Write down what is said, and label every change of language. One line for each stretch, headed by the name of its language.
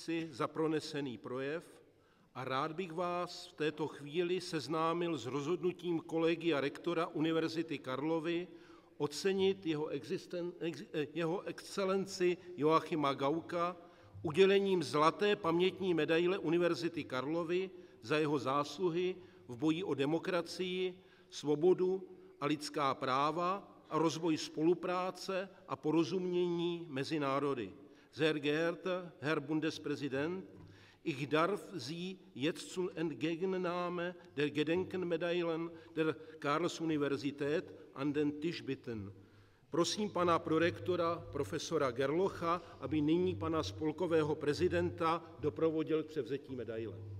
Czech: Za pronesený projev a rád bych vás v této chvíli seznámil s rozhodnutím kolegia rektora Univerzity Karlovy ocenit jeho excelenci Joachima Gaucka udělením zlaté pamětní medaile Univerzity Karlovy za jeho zásluhy v boji o demokracii, svobodu a lidská práva a rozvoj spolupráce a porozumění mezi národy.
German: Sehr geehrter Herr Bundespräsident, ich darf Sie jetzt zur Entgegennahme der Gedenkenmedaillen der Karls-Universität an den Tisch bitten.
Czech: Prosím pana prorektora, profesora Gerlocha, aby nyní pana spolkového prezidenta doprovodil k převzetí medaile.